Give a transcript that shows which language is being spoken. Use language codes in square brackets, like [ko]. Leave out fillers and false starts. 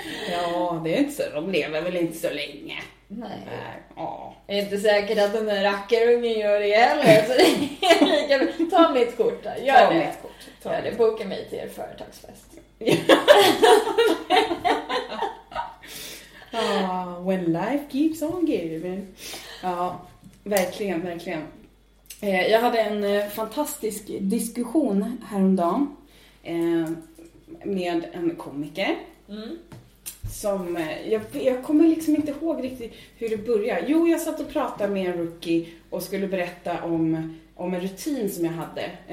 [sv] Ja, det är inte så. De lever väl inte så länge. Nej. Jag är inte säker att den där rackarungen gör det heller. Ta mitt kort då. Gör ta det. Mitt kort. Ta gör det. Boka mig till er företagsfest. [en] Oh, when life keeps on giving. [sv] Ja, verkligen, verkligen. Jag hade en fantastisk diskussion häromdagen med en komiker. Mm. Som, jag kommer liksom inte ihåg riktigt hur det började. Jo, jag satt och pratade med en rookie och skulle berätta om en rutin som jag hade.